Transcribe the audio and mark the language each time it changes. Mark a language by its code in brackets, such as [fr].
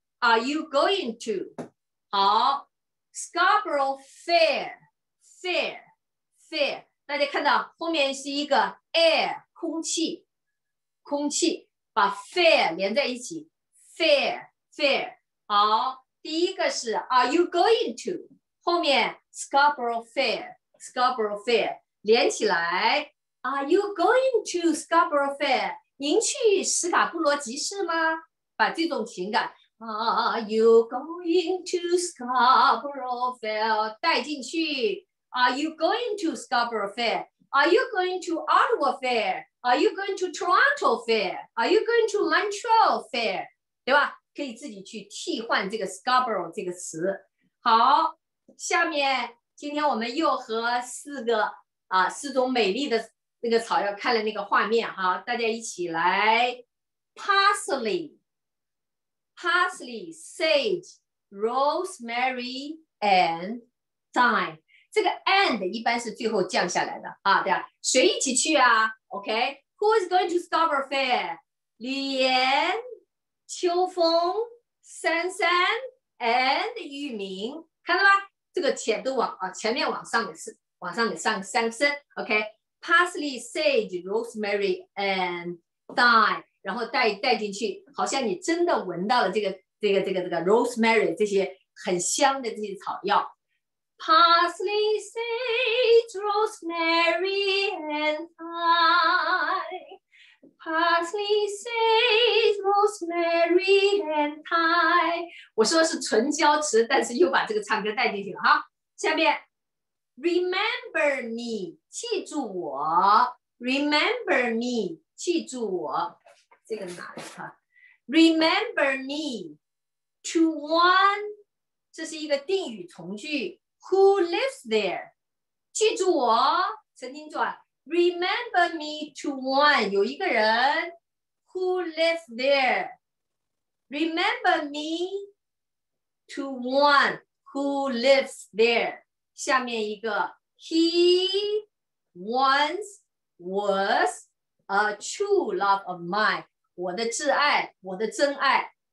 [en] Are you going to? [zh] 好 ，Scarborough Fair， 大家看到后面是一个 air 空气，把 fair 连在一起 ，fair， 好。第一个是 [en] Are you going to? 后面 Scarborough Fair [zh] 连起来 [en] Are you going to Scarborough Fair? [zh] 您去史卡布罗集市吗？把这种情感 [en] Are you going to Scarborough Fair? [zh] 带进去 [en] Are you going to Scarborough Fair? Are you going to Ottawa Fair? Are you going to Toronto Fair? Are you going to Montreal Fair? [zh] 对吧，可以自己去替换这个 Scarborough 这个词。好，下面今天我们又和四种美丽的那个草药看了那个画面哈，大家一起来 [en] Parsley, Sage, Rosemary and Thyme。 [zh] 这个 and 一般是最后降下来的啊，对啊，谁一起去啊？ [en] OK, Who is going to Scarborough Fair? [zh] 李岩、秋风、珊珊 and 玉明，看到吗？这个前都往啊前面往上给上三个声 ，OK? [en] Parsley, sage, rosemary and thyme， [zh] 然后带进去，好像你真的闻到了这个 rosemary 这些很香的这些草药。 [en] Parsley, sage, rosemary and thyme。 Parsley, sage, rosemary and thyme。 [zh] 我说的是纯胶词，但是又把这个唱歌带进去了啊。 [en] 下面 Remember me, [zh] 记住我。 [en] Remember me, [zh] 记住我。这个哪里啊？ [en] Remember me to one, [zh] 这是一个定语从句。 [en] Who lives there? [zh] 记住我，曾经住啊。 [en] Remember me to one, [zh] 有一个人 [en] who lives there. Remember me to one who lives there. [zh] 下面一个 [en] he once was a true love of mine, [zh] 我的挚爱，我的真爱。